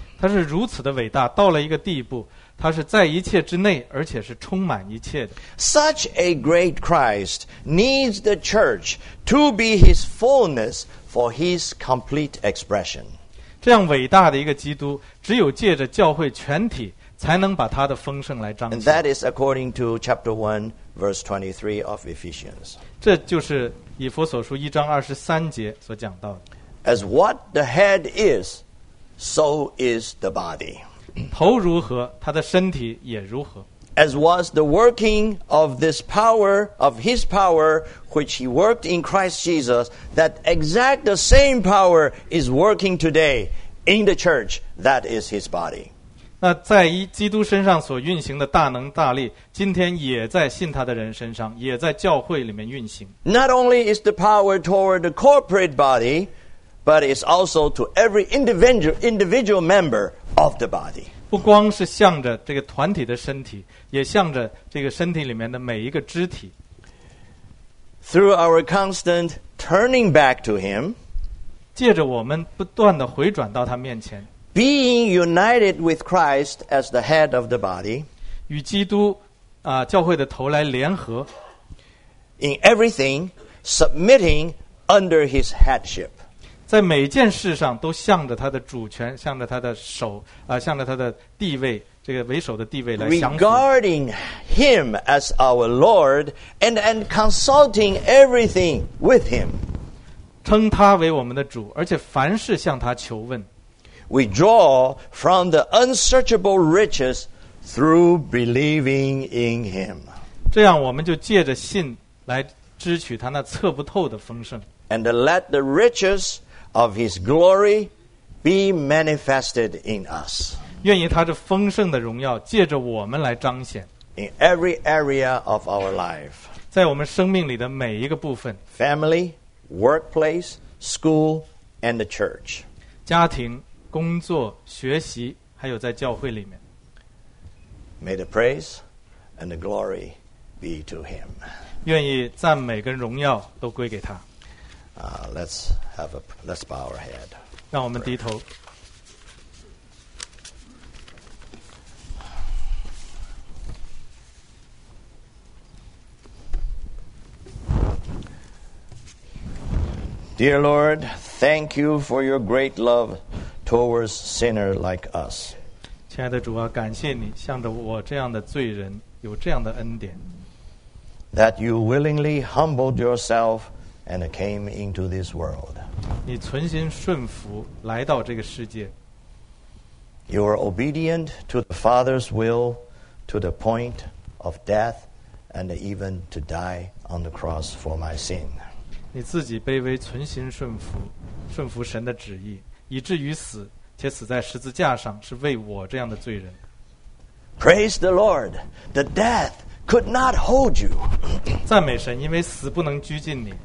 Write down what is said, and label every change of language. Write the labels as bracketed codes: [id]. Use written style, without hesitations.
[zh] 他是如此的伟大，到了一个地步，他是在一切之内，而且是充满一切的。 [en] Such a great Christ needs the church to be his fullness for his complete expression. [zh] 这样伟大的一个基督，只有借着教会全体，才能把他的丰盛来彰显。 [en] And that is according to chapter 1, verse 23 of Ephesians. [zh] 这就是以弗所书一章二十三节所讲到的。 [en] As what the head is, so is the body. [zh] 头如何，他的身体也如何。 [en] As was the working of this power, of his power, which he worked in Christ Jesus, that exact the same power is working today in the church, that is his body. [zh] 那在基督身上所运行的大能大力，今天也在信他的人身上，也在教会里面运行。 [en] Not only is the power toward the corporate body,But it's also to every individual member of the body. [zh] 不光是向着这个团体的身体，也向着这个身体里面的每一个肢体。 [en] Through our constant turning back to Him, [zh] 借着我们不断的回转到他面前 [en] ，being united with Christ as the head of the body, [zh] 与基督啊教会的头来联合 [en] ，in everything submitting under His headship. [zh] 在每件事上都向着他的主权，向着他的手，向着他的地位，这个为首的地位来降服。 [en] Regarding him as our Lord and consulting everything with him. [zh] 称他为我们的主，而且凡事向他求问。 [en] We draw from the unsearchable riches through believing in him. [zh] 这样我们就借着信来支取他那测不透的丰盛。 [en] And let the richesOf His glory be manifested in us. [zh] 愿意他这丰盛的荣耀借着我们来彰显。 [en] In every area of our life. [zh] 在我们生命里的每一个部分。 [en] Family, workplace, school, and the church. [zh] 家庭、工作、学习，还有在教会里面。 [en] May the praise and the glory be to Him. [zh] 愿意赞美跟荣耀都归给他。 [en] Let's bow our head. [zh] 让我们低头。 [en] Dear Lord, thank you for your great love towards sinners like us. [zh] 亲爱的主啊，感谢你向着我这样的罪人有这样的恩典。 [en] That you willingly humbled yourself. And came into this world. [zh] 你存心顺服来到这个世界。 [en] You were obedient to the Father's will to the point of death and even to die on the cross for my sin. [zh] 你自己卑微存心顺服顺服神的旨意以至于死且死在十字架上是为我这样的罪人。 [en] Praise the Lord, the deathCould not hold you. [zh] 赞美神，因为死不能拘禁你。